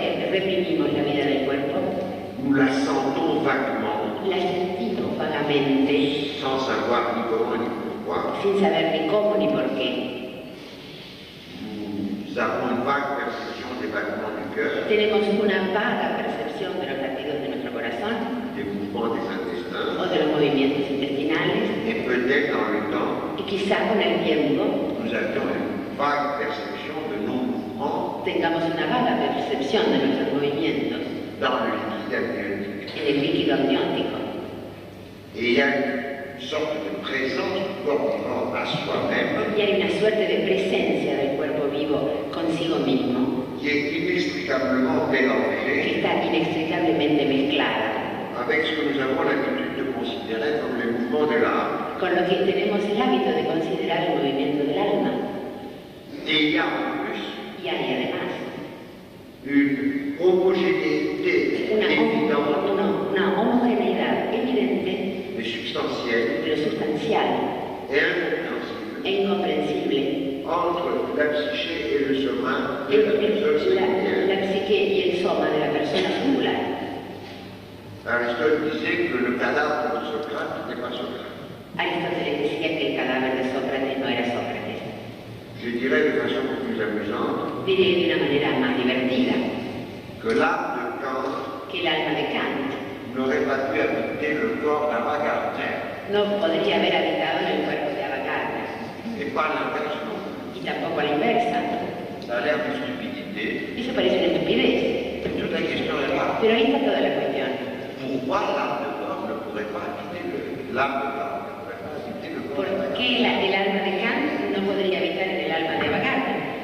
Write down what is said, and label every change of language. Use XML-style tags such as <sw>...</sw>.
<es>reprimimos la vida del cuerpo.</es> <fr>Nous la sentons vaguement.</fr> <es>La sentimos vagamente.</es> <fr>Sans savoir ni comment ni pourquoi.</fr> <es>Sin saber ni cómo ni por qué.</es> <fr>Nous avons une vague perception des battements du cœur.</fr> <es>Tenemos una vaga percepción de los latidos de nuestro corazón.</es> <fr>Des mouvements des intestins.</fr> <es>O de los movimientos intestinales.</es> <fr>Et peut-être dans le temps.</fr> <es>Y quizá con el tiempo.</es> <fr>Nous avions une vague perception de nos mouvements.</fr> <es>Tengamos una vaga percepción de nuestros movimientos.</es> <fr>Dans le liquide amniotique.</fr> <es>En el líquido amniótico.</es> <fr>Et il y a une sorte de présence du corps vivant à soi-même.</fr> <es>Y hay una suerte de presencia del cuerpo vivo consigo mismo.</es> <fr>Qui est inextricablement mélangée.</fr> <es>Que está inextricablemente mezclada.</es> <fr>Avec ce que nous avons l'habitude de considérer comme les mouvements de l'âme.</fr> <es>Con lo que tenemos el hábito de considerar el movimiento del alma.</es> <fr>Et il y a en plus.</fr> <es>Y hay además.</es> <fr>Une homogénéité évidente.</fr> <es>Una homogeneidad evidente.</es> <fr>Mais substantielle.</fr> <es>De lo sustancial.</es> <fr>Et incompréhensible.</fr> <es>E incomprensible.</es> <fr>Entre la psyché et le soma de personne singulière.</fr> <es>La psyché y el soma de la persona singular.</es> <fr>Aristote disait que le cadavre de Socrate n'était pas Socrate.</fr> <es>Aristóteles decía que el cadáver de Sócrates no era Sócrates.</es> <fr>Je dirais de façon plus amusante.</fr> <es>Diré de una manera más divertida.</es> <fr>Que l'âme de Kant.</fr> <es>Que el alma de Kant.</es> <fr>N'aurait pas pu habiter le corps d'Avant-Gardner.</fr> <es>No podría haber habitado en el cuerpo de Avant-Gardner.</es> <fr>Et pas l'inverse.</fr> <es>Y tampoco a la inversa.</es> <fr>Ça a l'air de stupidité.</fr> <es>Eso parece una estupidez.</es> <fr>Toute la question est là.</fr> <es>Pero ahí está toda la cuestión.</es> <fr>Pourquoi l'âme de Kant ne pourrait pas habiter l'âme de Kant?</fr> <es>¿Por qué el alma de Kant no podría habitar en el alma de Avant-Gardner?</es>